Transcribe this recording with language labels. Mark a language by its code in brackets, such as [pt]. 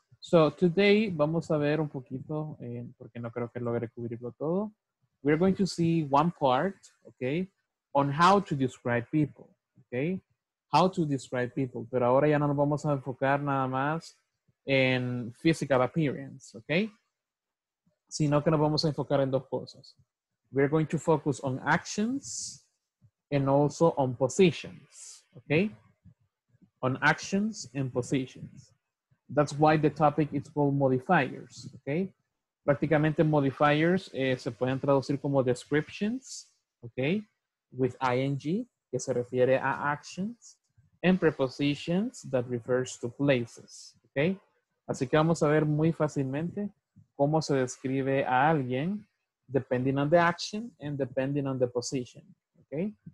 [en] So today, [es] vamos a ver un poquito, porque no creo que logre cubrirlo todo. [en] We're going to see one part, okay, on how to describe people. Okay, how to describe people. [es] Pero ahora ya no nos vamos a enfocar nada más en physical appearance, okay? Sino que nos vamos a enfocar en dos cosas. [en] We're going to focus on actions and also on positions, okay? On actions and positions. That's why the topic is called modifiers, okay? [es] Prácticamente modifiers se pueden traducir como descriptions, okay? [en] With ing, [es] que se refiere a [en] actions, and prepositions that refers to places, okay? [es] Así que vamos a ver muy fácilmente cómo se describe a alguien [en] depending on the action and depending on the position, [es] okay?